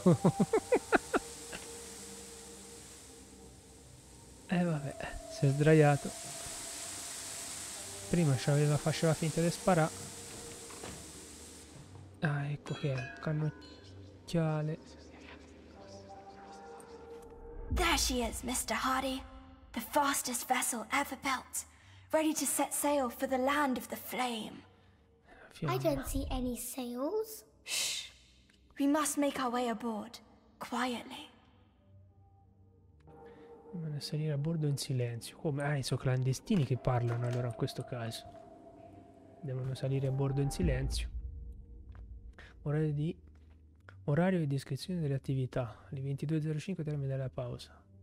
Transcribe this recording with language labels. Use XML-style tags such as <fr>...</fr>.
<it>vabbè, si è sdraiato. Prima c'aveva, faceva finta di sparare. Ah, ecco che è, cannocchiale.</it> <en>There she is, Mr. Hardy. The fastest vessel ever built. Ready to set sail for the land of the flame. Fiamma. I don't see any sails. Shh. We must make our way aboard, quietly.</en> <it>Dobbiamo salire a bordo in silenzio. Come? Ah, sono clandestini che parlano allora in questo caso. Devono salire a bordo in silenzio. Orario di... orario e descrizione delle attività. Alle 22.05 termine della pausa.</it>